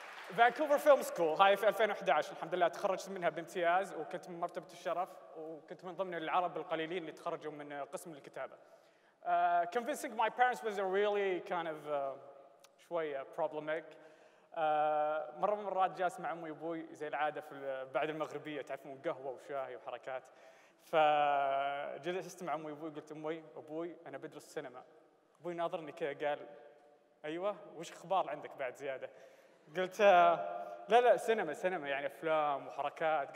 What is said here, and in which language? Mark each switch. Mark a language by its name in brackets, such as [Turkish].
[Arabic] Vancouver Film School، هاي في 2011 الحمد لله تخرجت منها بامتياز وكنت من مرتبة الشرف وكنت من ضمن العرب القليلين اللي تخرجوا من قسم الكتابة. [English] Convincing my parents was a really kind of شوية problematic. [Arabic] مرة من المرات جالس مع أمي وأبوي زي العادة في بعد المغربية تعرفون قهوة وشاهي وحركات، فجلست مع أمي وأبوي قلت أمي أبوي أنا بدرس سينما. أبوي ناظرني كذا قال أيوة وش أخبار عندك بعد زيادة؟ قلت لا لا سينما يعني افلام وحركات.